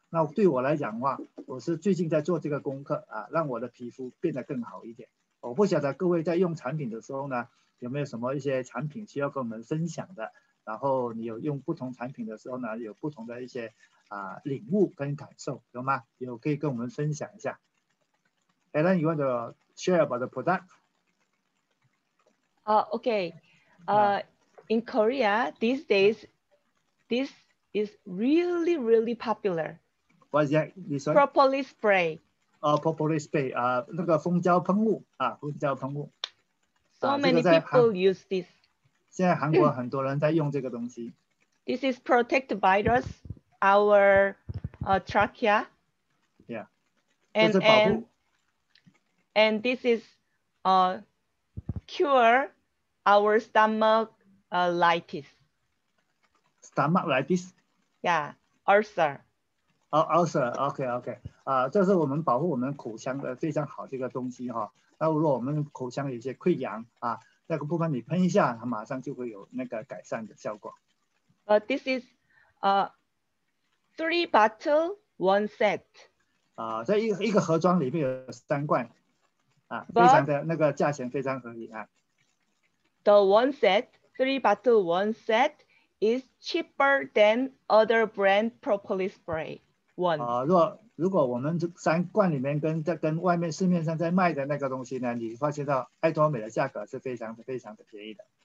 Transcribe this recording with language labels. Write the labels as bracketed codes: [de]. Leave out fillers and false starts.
[zh] 那对我来讲的话，我是最近在做这个功课啊，让我的皮肤变得更好一点。我不晓得各位在用产品的时候呢，有没有什么一些产品需要跟我们分享的？然后你有用不同产品的时候呢，有不同的一些啊领悟跟感受，有吗？有可以跟我们分享一下。 [en] Helen, you want to share about the product? Okay. In Korea, these days, this is really, really popular. What's that? This one? Propolis spray. Propolis spray. [zh] 那个蜂胶喷雾啊，蜂胶喷雾。 [en] So many people use this. [zh] 现在韩国很多人在用这个东西。 [en] This is protect virus, our trachea. Yeah. And this is cure our stomach lightis. Stomach lightis? Yeah, ulcer. Oh, ulcer, okay, okay. [zh] 这是我们保护我们口腔的非常好这个东西哈。那如果我们口腔有一些溃疡啊，那个部分你喷一下，它马上就会有那个改善的效果。 [en] This is three bottle, one set. [zh] 在一个盒装里面有三罐。 [en] But, [zh] 非常的那个价钱非常合理啊。 [en] The one set, three bottle one set is cheaper than other brand propolis spray one. [zh] 如果我们三罐里面跟外面市面上在卖的那个东西呢，你发现到爱多美的价格是非常非常的便宜的。